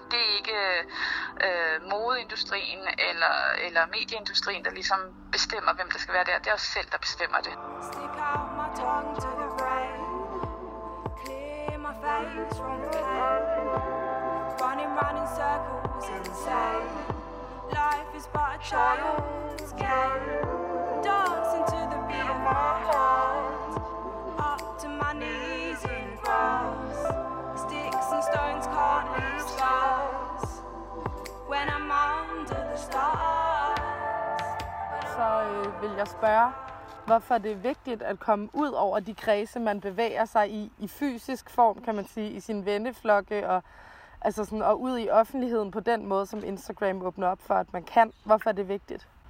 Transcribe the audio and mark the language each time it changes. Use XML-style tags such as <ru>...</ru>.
<da>Det er ikke modeindustrien eller medieindustrien, der ligesom bestemmer, hvem der skal være der. Det er os selv, der bestemmer det.</da> <en>Stick out my tongue to the brain. Clear my face from the pain. Running circles insane. Life is but a child's game. Dancing to the beat of my heart. Up to my knees in grass. Stones can't leave scars. When I'm under the stars.</en> <da>Så vil jeg spørge, hvorfor det er vigtigt at komme ud over de kredse, man bevæger sig i fysisk form, kan man sige, i sin venneflokke, og altså sådan, og ud i offentligheden på den måde, som Instagram åbner op for, at man kan. Hvorfor er det vigtigt?</da>